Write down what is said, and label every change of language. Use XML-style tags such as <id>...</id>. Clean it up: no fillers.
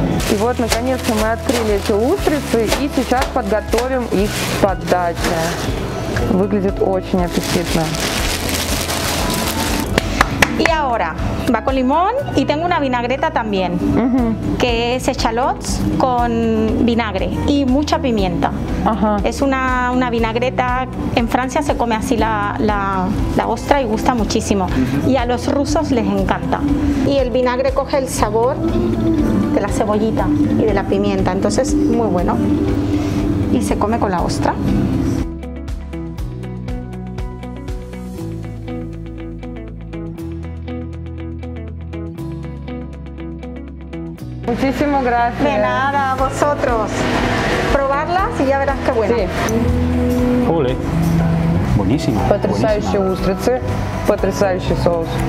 <ru>И вот, наконец-то, мы открыли эти устрицы и сейчас подготовим их к подаче. Выглядит очень аппетитно.</ru> <es>Y ahora, va con limón y tengo una vinagreta también, que es echalots con vinagre y mucha pimienta. Es una vinagreta, en Francia se come así la ostra y gusta muchísimo. Y a los rusos les encanta. Y el vinagre coge el sabor de la cebollita y de la pimienta, entonces muy bueno. Y se come con la ostra. Muchísimas gracias. De nada, a vosotros. Probarlas y ya verás qué bueno. Sí. Ole. Buenísimo.</es> <ru>Потрясающие устрицы, потрясающий соус.</ru>